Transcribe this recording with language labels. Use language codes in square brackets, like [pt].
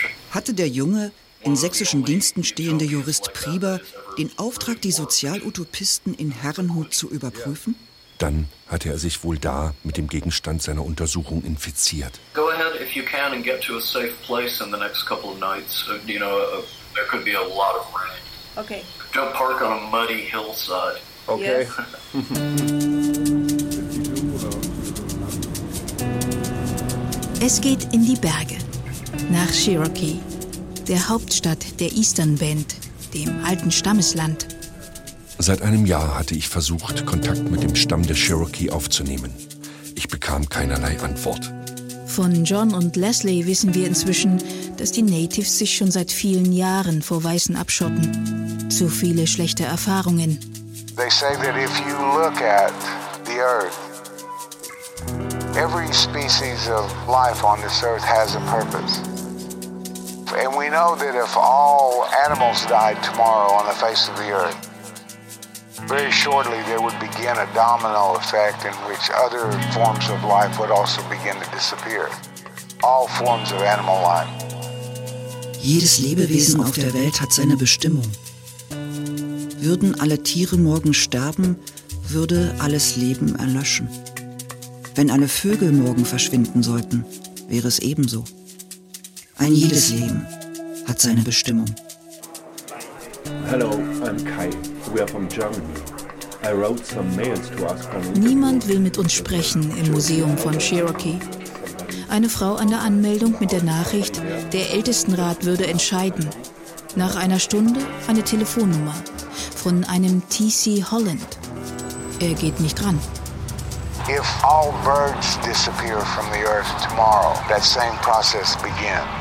[de] Hatte der junge, in sächsischen Diensten stehende Jurist Priber den Auftrag, die Sozialutopisten in Herrnhut zu überprüfen? Dann hatte er sich wohl da mit dem Gegenstand seiner Untersuchung infiziert. [en] Go ahead if you can and get to a safe place in the next couple of nights. You know, there could be a lot of rain. Okay. Don't park on a muddy hillside. Okay. Yes. [de] Es geht in die Berge, nach Cherokee, der Hauptstadt der Eastern Band, dem alten Stammesland. Seit einem Jahr hatte ich versucht, Kontakt mit dem Stamm der Cherokee aufzunehmen. Ich bekam keinerlei Antwort. Von John und Leslie wissen wir inzwischen, dass die Natives sich schon seit vielen Jahren vor Weißen abschotten. Zu viele schlechte Erfahrungen. [en] They say that if you look at the earth, every species of life on this earth has a purpose. And we know that if all animals died tomorrow on the face of the earth, very shortly there would begin a domino effect in which other forms of life would also begin to disappear. All forms of animal life. [de] Jedes Lebewesen auf der Welt hat seine Bestimmung. Würden alle Tiere morgen sterben, würde alles Leben erlöschen. Wenn alle Vögel morgen verschwinden sollten, wäre es ebenso. Ein jedes Leben hat seine Bestimmung. [en] Hello, I'm Kai. We are from Germany. I wrote some mails to ask for... [de] Niemand will mit uns sprechen im Museum von Cherokee. Eine Frau an der Anmeldung mit der Nachricht, der Ältestenrat würde entscheiden. Nach einer Stunde eine Telefonnummer von einem T.C. Holland. Er geht nicht ran. [en] If all birds disappear from the earth tomorrow, that same process begins.